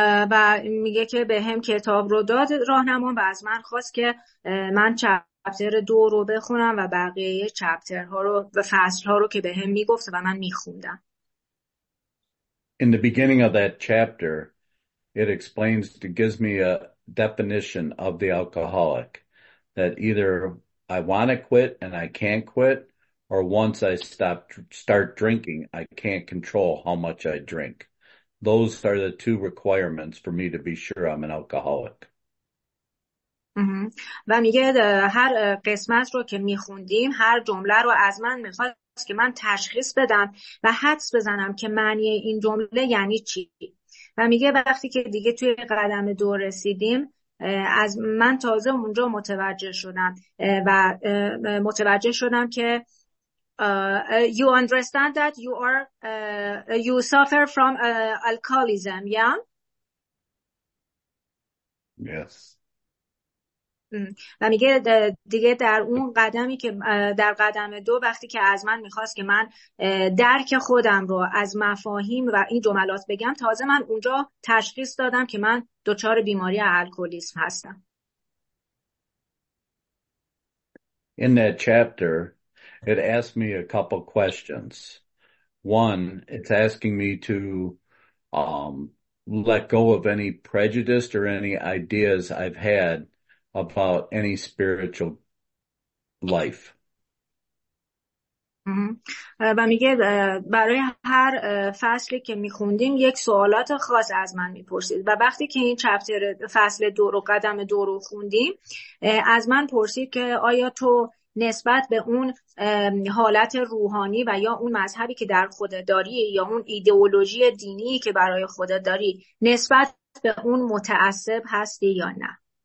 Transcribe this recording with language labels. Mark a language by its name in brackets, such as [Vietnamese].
[Persian] و میگه که به هم کتاب رو داد راهنما و از من خواست که من چپتر دو رو بخونم و بقیه چپترها رو و فصلها رو که به هم میگفت و من میخوندم. [English] In the beginning of that chapter, it explains, it gives me a definition of the alcoholic. That either I want to quit and I can't quit, or once I start drinking, I can't control how much I drink. Those are the two requirements for me to be sure I'm an alcoholic. [Persian] و میگه هر قسمت رو که میخوندیم، هر جمله رو از من میخواست که من تشخیص بدم و حدس بزنم که معنی این جمله یعنی چی. و میگه وقتی که دیگه توی قدم دو رسیدیم، از من تازه اونجا متوجه شدم و متوجه شدم که [English] you understand that you are you suffer from alcoholism, yeah? Yes. [Persian] و میگه دیگه در اون قدمی که در قدم دو وقتی که از من میخواست که من درک خودم رو از مفاهیم و این جملات بگم، تازه من اونجا تشخیص دادم که من دچار بیماری الکلیسم هستم. [English] In that chapter, it asked me a couple questions. One, it's asking me to let go of any prejudice or any ideas I've had about any spiritual life. [Persian] و میگه برای هر فصلی که میخوندیم یک سوالات خاص از من میپرسید و وقتی که این چپتر فصل دو رو قدم دو رو خوندیم از من پرسید که آیا تو نسبت به اون حالت روحانی و یا اون مذهبی که در خودت داری یا اون ایدئولوژی دینی که برای خودت داری نسبت به اون متعصب هستی یا نه.